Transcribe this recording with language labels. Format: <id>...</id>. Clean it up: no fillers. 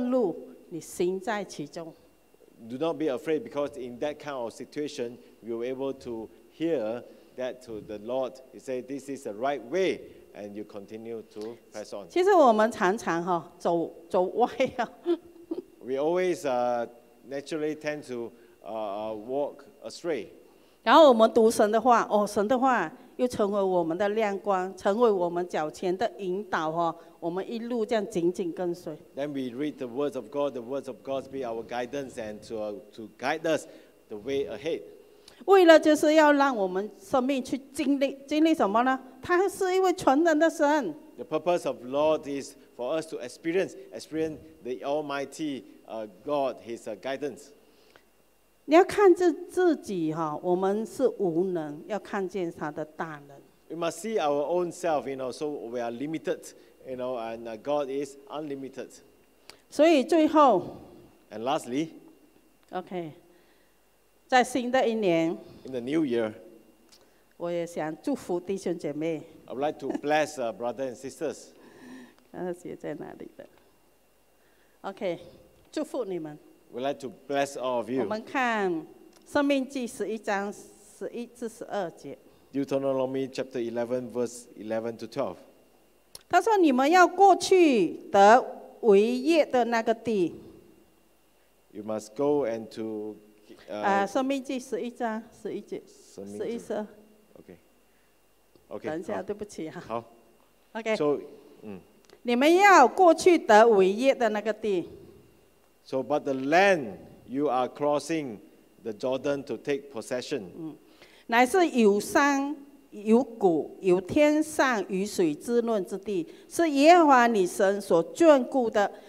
<zh>因为在那环境中，你会听见一个声音说：“这是正路，你行在其中。”</zh> <en>Do not be afraid, because in that kind of situation, you will be able to hear that to the Lord. He said, "This is the right way," and you continue to press on.</en> <zh>其实我们常常走歪了。</zh> <en>we always naturally tend to walk astray.</en> <zh>然后我们读神的话，哦，神的话又成为我们的亮光，成为我们脚前的引导，哦，我们一路这样紧紧跟随。</zh> <en>Then we read the words of God. The words of God be our guidance and to guide us the way ahead.</en> <zh>为了就是要让我们生命去经历什么呢？他是一位全能的神。</zh> <en>The purpose of Lord is for us to experience the Almighty God, His guidance.</en> <zh>你要看着自己，我们是无能，要看见他的大能。</zh> <en>We must see our own self, you know, so we are limited, you know, and God is unlimited.</en> <zh>所以最后</zh> <en>And lastly,</en> <zh>okay, 在新的一年</zh> <en>In the new year,</en> <zh>我也想祝福弟兄姐妹</zh> <en>I would like to bless brothers and sisters.</en> <zh>看他写在哪里的 Okay, 祝福你们</zh> <en>We'd like to bless all of you.</en> <zh>我们看《生命记》十一章十一至十二节。</zh> <en>Deuteronomy chapter 11, verse 11 to 12.</en> <zh>他说：“你们要过去得为业的那个地。</zh> <en>”You must go and to.</en> <zh>《生命记》十一章十一节，十一十二。</zh> <en>Okay. Okay.</en> <zh>等一下，对不起啊。好。</zh> <en>Okay. So,</en> <zh>你们要过去得为业的那个地。</zh> <en>So, but the land you are crossing the Jordan to take possession,</en> <zh>乃是有山有谷有天上雨水滋润之地，是耶和华你神所眷顾的。</zh>